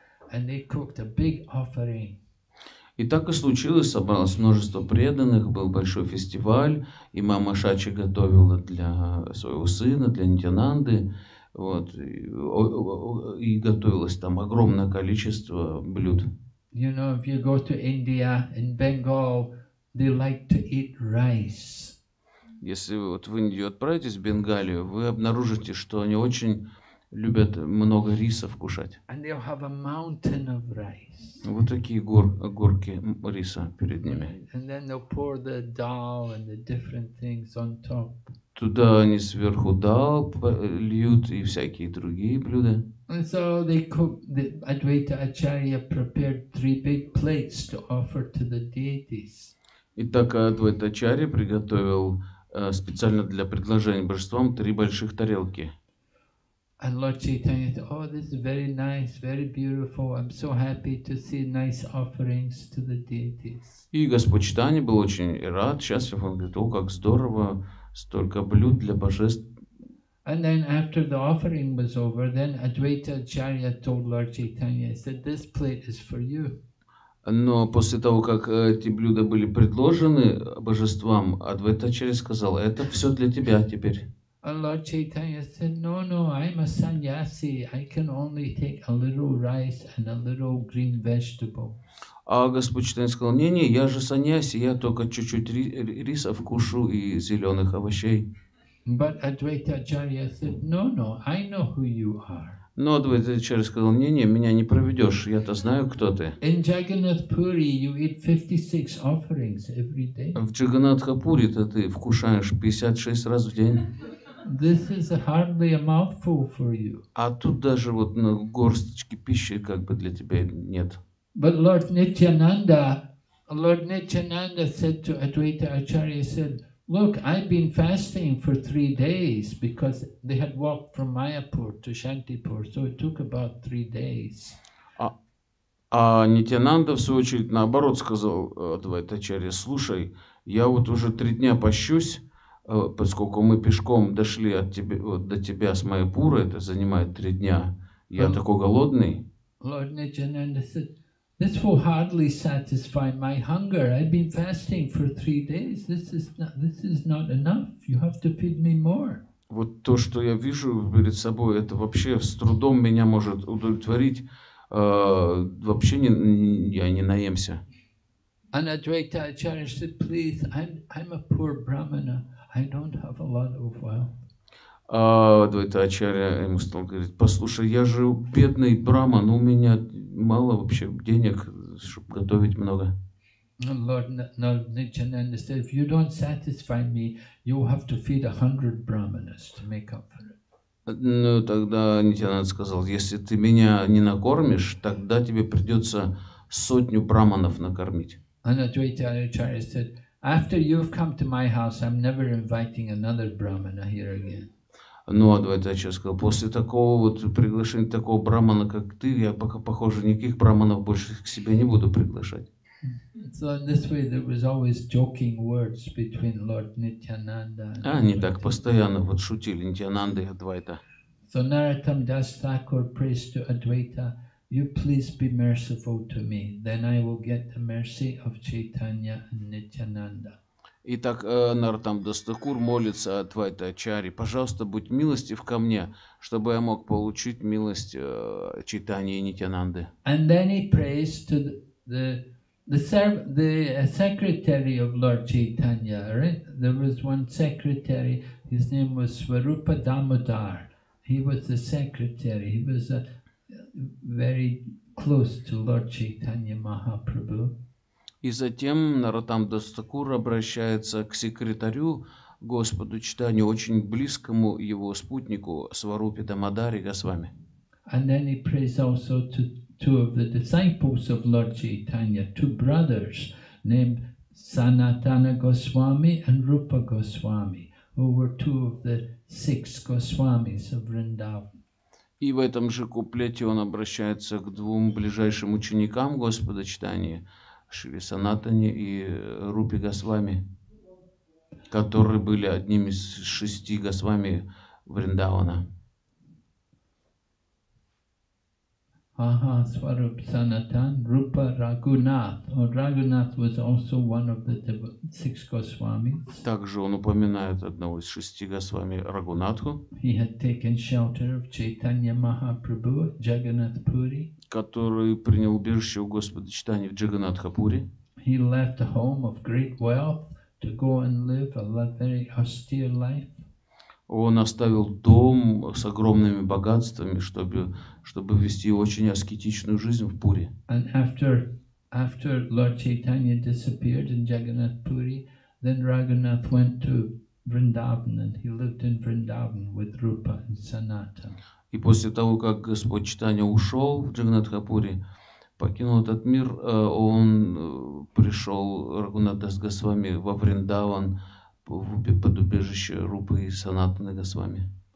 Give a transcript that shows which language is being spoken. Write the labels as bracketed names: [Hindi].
[English] And they cooked a big offering. [Russian] И так и случилось, собралось множество преданных, был большой фестиваль, и мама Шачи готовила для своего сына, для Нитьянанды, вот, и готовилось там огромное количество блюд. [English] You know, if you go to India, in Bengal, they like to eat rice. [Russian] Если вот в Индию отправитесь, в Бенгалию, вы обнаружите, что они очень любят много риса кушать. [English] And they'll have a mountain of rice. [Russian] Вот такие горки риса перед ними. [English] And then they'll pour the dal and the different things on top. [Russian] Туда они сверху дал льют и всякие другие блюда. [English] And so they cook, the Advaita Acharya prepared 3 big plates to offer to the deities. [Russian] Итак, Адвайта Ачарья приготовил специально для предложения божествам 3 больших тарелки. [English] And Lord Chaitanya said, oh, this is very nice, very beautiful. I'm so happy to see nice offerings to the deities. [Russian] И Господь Чайтанья был очень рад, счастлив. Он говорит, о, как здорово, столько блюд для божеств. [English] And then after the offering was over, then Advaita Acharya told Lord Chaitanya, he said, this plate is for you. [Russian] Но после того, как эти блюда были предложены божествам, Адвайта Ачарья сказал, это все для тебя теперь. [English] And Lord Chaitanya said, no, I'm a sannyasi. I can only take a little rice and a little green vegetable. [Russian] А Господь Чайтанья сказал, не, я же саньяси, я только чуть-чуть риса вкушу и зеленых овощей. [English] But Advaita Acharya said, no, I know who you are. [Russian] Но Адвайта Ачарья сказал, не, меня не проведешь, я-то знаю, кто ты. [English] In Jagannath Puri you eat 56 offerings every day. [Russian] В Джаганатхапуре-то ты вкушаешь 56 раз в день. [English] This is hardly a mouthful for you. [Russian] А тут даже вот на горсточке пищи как бы для тебя нет. [English] But Lord Nityananda Lord Nityananda said to Advaita Acharya, said, look, I've been fasting for 3 days, because they had walked from Mayapur to Shantipur, so it took about 3 days. [Russian] А Нитянанда, в свою очередь, наоборот, сказал Адвайта Ачарья, слушай, я вот уже 3 дня пощусь, поскольку мы пешком дошли от тебе, вот, до тебя с Майпура, это занимает 3 дня, я [English] But [Russian] такой голодный. [English] Lord Nityananda said, this will hardly satisfy my hunger. I've been fasting for 3 days. This is not enough. You have to feed me more. [Russian] Вот то, что я вижу перед собой, это вообще с трудом меня может удовлетворить. Вообще не, я не наемся. [English] And Advaita Acharya said, please, I'm a poor brahmana. I don't have a lot of wealth. [Russian] Advaita Acharya ему стал говорить, послушай, я же бедный браман, у меня мало вообще денег, чтобы готовить много. [English] Lord Nityananda said, if you don't satisfy me, you have to feed 100 brahmanas to make up for it. [Russian] Ну, тогда Нитянанда сказал, если ты меня не накормишь, тогда тебе придется 100 браманов накормить. Ну, Адвайта Ачарья сказал, после такого вот приглашения такого брамана, как ты, я пока, похоже, никаких браманов больше к себе не буду приглашать. Они так постоянно вот шутили, Нитянанда и Адвайта. [English] So Narottam Das Thakur prays to Advaita, you please be merciful to me, then I will get the mercy of Chaitanya and Nityananda. [Russian] Итак, Narottam Das Thakur молится Адвайта Ачарьи, пожалуйста, будь милостив ко мне, чтобы я мог получить милость Чайтаньи и Нитянанды. [English] And then he prays to the secretary of Lord Chaitanya, right? There was one secretary, his name was Swarupa Damodar. He was the secretary. He was very close to Lord Chaitanya Mahaprabhu. [Russian] И затем Narottam Das Thakur обращается к секретарю Господу Чайтанье, очень близкому его спутнику Сварупе Дамодаре Госвами. [English] And then he prays also to two of the disciples of Lord Chaitanya, two brothers named Sanatana Goswami and Rupa Goswami, who were two of the 6 Госвамис of Vrindavan. [Russian] И в этом же куплете он обращается к двум ближайшим ученикам Господа Чайтаньи, Шри Санатане и Рупе Госвами, которые были одним из 6 Госвами Вриндавана. Ага, Сваруп Санатан, Рупа Рагунат. [English] Рагунат was also one of the 6 Госвамис. [Russian] Также он упоминает одного из 6 Госвами, Рагунатху. [English] He had taken shelter of Chaitanya Mahaprabhu, Jagannath Puri. [Russian] Который принял убежище у Господа Чайтаньи в Джаганатхапури. [English] He left a home of great wealth to go and live a very austere life. [Russian] Он оставил дом с огромными богатствами, чтобы вести очень аскетичную жизнь в Пуре. [English] And after Lord Chaitanya disappeared in Jagannath Puri, then Raghunath went to Vrindavan and he lived in Vrindavan with Rupa and Sanatan. [Russian] И после того, как Господь Чайтанья ушел в Джаганатхапури, покинул этот мир, он пришел, Рагхунат Дас Госвами, во Вриндаван, под убежище Рупы и Санатаны Госвами.